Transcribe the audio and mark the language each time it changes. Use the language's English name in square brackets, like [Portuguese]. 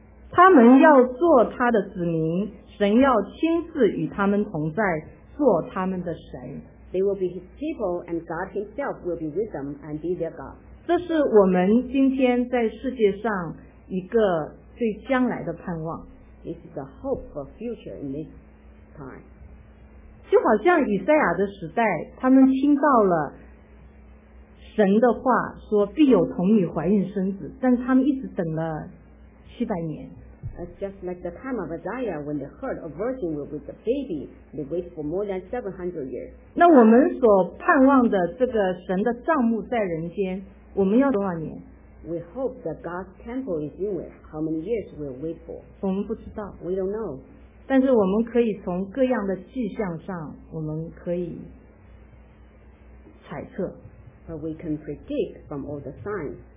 [Chinese] 他们要做他的子民神要亲自与他们同在做他们的神 [English] They will be his people and God himself will be with them and be their God. [Chinese] 这是我们今天在世界上一个对将来的盼望。 [English] This is a hope for future in this time. [Chinese] 就好像以赛亚的时代他们听到了神的话说必有童女怀孕生子但他们一直等了700年。 [English] It's just like the time of Isaiah when they heard a virgin will be the baby, they wait for more than 700 years. [Chinese] 那我们所盼望的这个神的帐幕在人间，我们要多少年？ [English] We hope that God's temple is in us. How many years will we wait for? [Chinese] 我们不知道。 [English] We don't know. [Chinese] 但是我们可以从各样的迹象上，我们可以猜测。 [English] But we can predict from all the signs.